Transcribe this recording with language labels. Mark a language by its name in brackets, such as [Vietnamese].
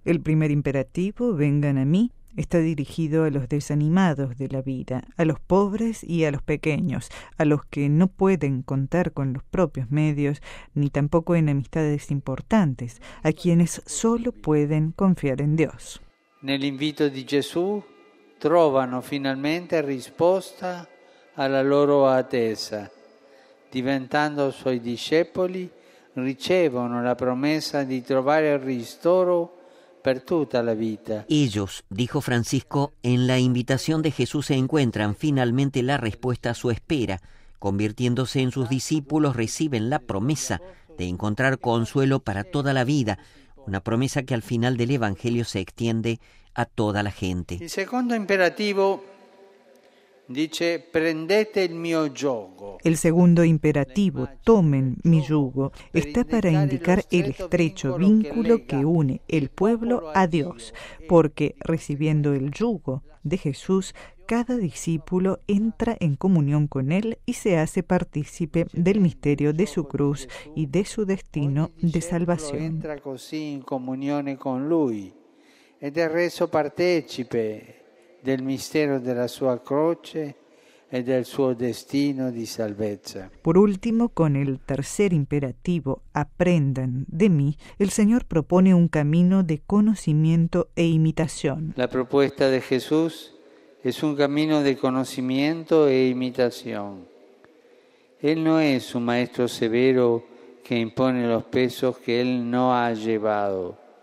[Spanish] El primer imperativo, vengan a mí, está dirigido a los desanimados de la vida, a los pobres y a los pequeños, a los que no pueden contar con los propios medios, ni tampoco en amistades importantes, a quienes solo pueden confiar en Dios. En el [Italian] invito de Jesús, trovano finalmente risposta alla loro attesa. Diventando suoi discepoli, ricevono la promessa di trovare il ristoro per tutta la vita. [Spanish] Ellos, dijo Francisco, en la invitación de Jesús se encuentran finalmente la respuesta a su espera. Convirtiéndose en sus discípulos, reciben la promesa de encontrar consuelo para toda la vida, una promesa que al final del Evangelio se extiende a toda la gente. El segundo imperativo dice, [Italian] prendete il mio yugo. [Spanish] El segundo imperativo, tomen mi yugo, está para indicar el estrecho vínculo que une el pueblo a Dios, porque recibiendo el yugo de Jesús, cada discípulo entra en comunión con Él y se hace partícipe del misterio de su cruz y de su destino de salvación. [Italian] Entra così in comunione con Lui ed è reso partecipe del mistero della sua croce e del suo destino di salvezza. [Spanish] Por último, con el tercer imperativo, aprendan de mí, el Señor propone un camino de conocimiento e imitación. La propuesta de Jesús es un camino de conocimiento e imitación. Él no es un maestro severo que impone los pesos que él no ha llevado.